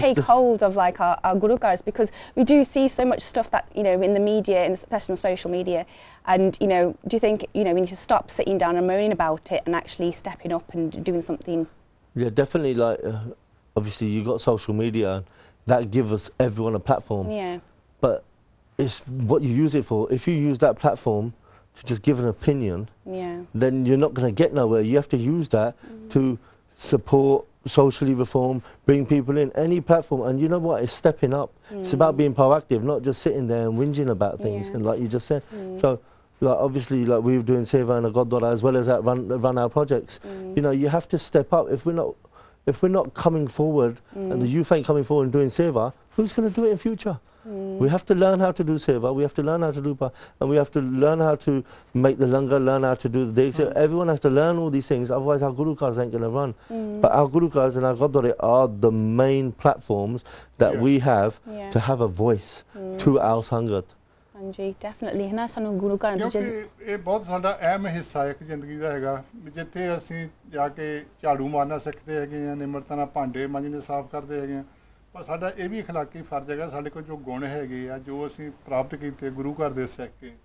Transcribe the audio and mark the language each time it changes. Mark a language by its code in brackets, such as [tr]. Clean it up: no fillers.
[en] Take hold of like our ਗੁਰੂਕਾਰਸ because we do see so much stuff that you know in the media in special social media and you know do you think you know we need to stop sitting down and moaning about it and actually stepping up and doing something yeah definitely like obviously you got social media that gives everyone a platform yeah but it's what you use it for if you use that platform to just give an opinion, yeah. then you're not going to get nowhere. You have to use that to support, socially reform, bring people in, any platform. And you know what? It's stepping up. Mm. It's about being proactive, not just sitting there and whinging about things. Yeah. And like you just said. Mm. So like obviously, like we were doing Seva and Agoddora as well as that run our projects. Mm. You know, you have to step up. If we're not coming forward and the youth ain't coming forward and doing Seva, who's going to do it in future? We have to learn how to do seva, we have to learn how to do pa, and we have to learn how to make the langa, learn how to do the deksha. Mm. Everyone has to learn all these things, otherwise our gurukars ain't going to run. Mm. But our gurukars and our goddari are the main platforms that we have to have a voice to our sangat. [pa] ਹਾਂਜੀ ਡੈਫੀਨਟਲੀ ਹੈ ਨਾ ਸਾਨੂੰ ਗੁਰੂ ਘਰ ਵਿੱਚ ਇਹ ਬਹੁਤ ਸਾਡਾ ਅਹਿਮ ਹਿੱਸਾ ਇੱਕ ਜ਼ਿੰਦਗੀ ਦਾ ਹੈਗਾ ਜਿੱਥੇ ਅਸੀਂ ਜਾ ਕੇ ਝਾੜੂ ਮਾਰਨਾ ਸਿੱਖਦੇ ਹੈਗੇ ਹਾਂ ਨਿਮਰਤਾ ਨਾਲ ਭਾਂਡੇ ਮਾਂਜਣੇ ਸਾਫ਼ ਕਰਦੇ ਹੈਗੇ ਹਾਂ ਪਰ ਸਾਡਾ ਇਹ ਵੀ ਅਖਲਾਕੀ ਫਰਜ਼ ਹੈਗਾ ਸਾਡੇ ਕੋਲ ਜੋ ਗੁਣ ਹੈਗੇ ਆ ਜੋ ਅਸੀਂ ਪ੍ਰਾਪਤ ਕੀਤੇ ਗੁਰੂ ਘਰ ਦੇ ਸਿੱਖ ਕੇ